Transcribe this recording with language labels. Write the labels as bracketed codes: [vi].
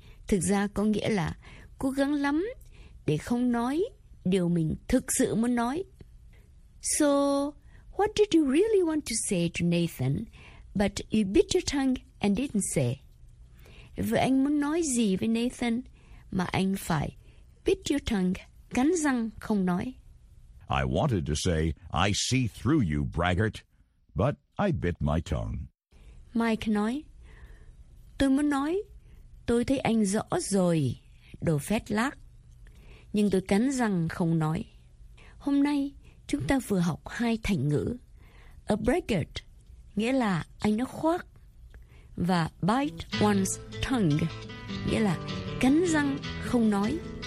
[vi] Thực ra có nghĩa là cố gắng lắm để không nói điều mình thực sự muốn nói. [en] So, what did you really want to say to Nathan, but you bit your tongue and didn't say? [vi] Vậy anh muốn nói gì với Nathan mà anh phải bit your tongue, cắn răng không nói? [en] I wanted to say, I see through you, braggart, but I bit my tongue. [vi] Mike nói, tôi muốn nói, tôi thấy anh rõ rồi, đồ phét lác. Nhưng tôi cắn răng không nói. Hôm nay, chúng ta vừa học 2 thành ngữ. A braggart, nghĩa là anh nó khoác. Và bite one's tongue, nghĩa là cắn răng không nói.